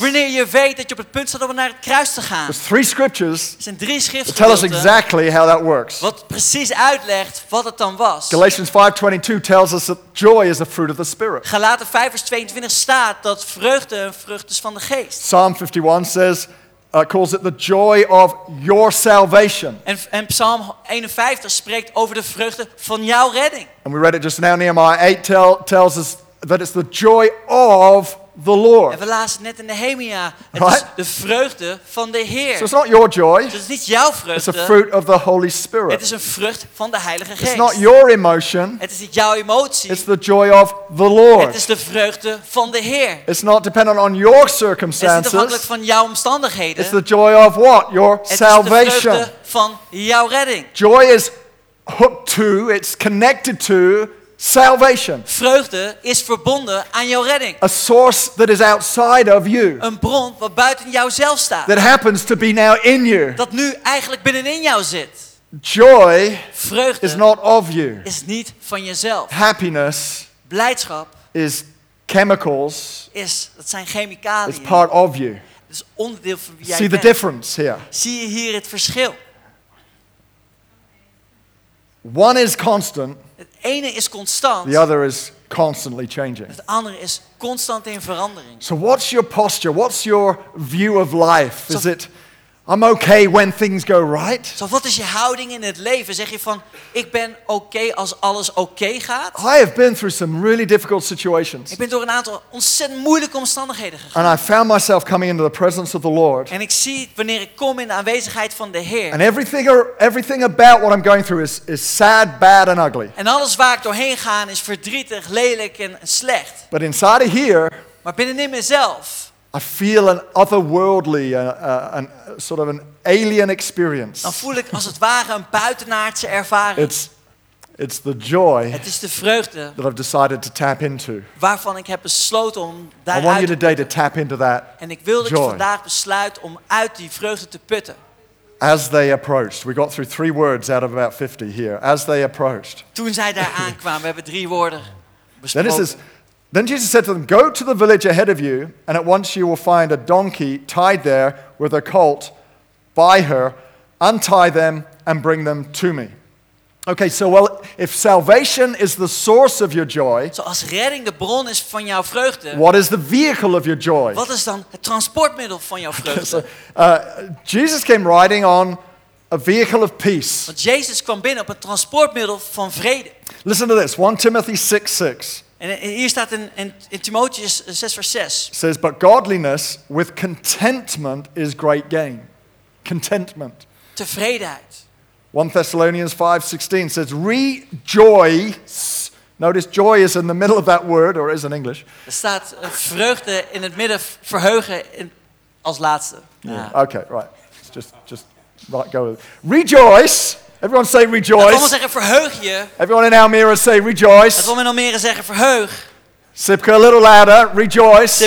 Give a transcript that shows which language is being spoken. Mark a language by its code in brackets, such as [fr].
[nl] Wanneer je weet dat je op het punt staat om naar het kruis te gaan. [en] There's three scriptures. [nl] Er zijn drie schriften. [en] Tell us exactly how that works. [nl] Wat precies uitlegt wat het dan was. [en] Galatians 5:22 tells us that joy is a fruit of the spirit. [nl] Galaten 5:22 staat dat vreugde een vrucht is van de geest. [en] Psalm 51 says calls it the joy of your salvation. [nl] En Psalm 51 spreekt over de vreugde van jouw redding. [en] And we read it just now, Nehemiah 8 tells us that it's the joy of the Lord. [nl] En we lazen net in Nehemia, het [en] right? [nl] Is de vreugde van de Heer. [en] So it's not your joy. [nl] Dus het is niet jouw vreugde. [en] It's a fruit of the Holy Spirit. [nl] Het is een vrucht van de Heilige Geest. [en] It's not your emotion. [nl] Het is niet jouw emotie. [en] It's the joy of the Lord. [nl] Het is de vreugde van de Heer. [en] It's not dependent on your circumstances. [nl] Het is niet afhankelijk van jouw omstandigheden. [en] It's the joy of what? Your salvation. [nl] Het is de vreugde van jouw redding. [en] Joy is hooked to, it's connected to salvation. [nl] Vreugde is verbonden aan jouw redding. [en] A source that is outside of you. [nl] Een bron wat buiten jouzelf staat. [en] That happens to be now in you. [nl] Dat nu eigenlijk binnenin jou zit. [en] Joy. [nl] Vreugde [en] is not of you. [nl] Is niet van jezelf. [en] Happiness. [nl] Blijdschap [en] is chemicals. [nl] Is dat zijn chemicaliën. [en] It's part of you. [nl] Het is onderdeel van wie jij bent. [en] See the difference here. [nl] Zie je hier het verschil? [en] One is constant. [nl] Het ene is constant. [en] The other is constantly changing. [nl] Het andere is constant in verandering. [en] So what's your posture? What's your view of life? Is it I'm okay when things go right? [nl] So wat is je houding in het leven? Zeg je van ik ben okay als alles okay gaat? [en] I have been through some really difficult situations. [nl] Ik ben door een aantal ontzettend moeilijke omstandigheden gegaan. [en] And I found myself coming into the presence of the Lord. [nl] En ik zie wanneer ik kom in de aanwezigheid van de Heer. [en] And everything about what I'm going through is sad, bad and ugly. [nl] En alles waar ik doorheen ga is verdrietig, lelijk en slecht. [en] But inside of here, [nl] maar binnenin mezelf, [en] I feel an otherworldly, an sort of an alien experience. [nl] Dan voel ik als het ware een buitenaardse ervaring. [en] It's the joy. [nl] Het is de vreugde. [en] That I've decided to tap into. [nl] Waarvan ik heb besloten om daaruit. [en] I want you today to tap into that. [nl] En ik wil dat [en] joy. [nl] Je vandaag besluit om uit die vreugde te putten. [en] As they approached, we got through three words out of about 50 here. As they approached. [nl] Toen zij daar aankwamen, we hebben drie woorden besproken. [en] Then Jesus said to them, go to the village ahead of you, and at once you will find a donkey tied there with a colt by her. Untie them and bring them to me. Okay, so well, if salvation is the source of your joy, [nl] so als redding de bron is van jouw vreugde, [en] what is the vehicle of your joy? [nl] Wat is dan het transportmiddel van jouw vreugde? [en] So, Jesus came riding on a vehicle of peace. [nl] Want Jezus kwam binnen op een transportmiddel van vrede. [en] Listen to this, 1 Timothy 6:6. [nl] En hier staat in Timotheus 6 vers 6. [en] Says, but godliness with contentment is great gain. Contentment. [nl] Tevredenheid. [en] 1 Thessalonians 5:16 says, rejoice. Notice joy is in the middle of that word, or is in English. [nl] Er staat vreugde in het midden, verheugen in, als laatste. [en] Yeah. Okay, right. It's just right, go with it. Rejoice. Everyone say rejoice. [nl] Laat allemaal zeggen verheug je. [en] Everyone in Almere say rejoice. [nl] Laat allemaal in Almere zeggen verheug. [en] Sipke a little louder, rejoice.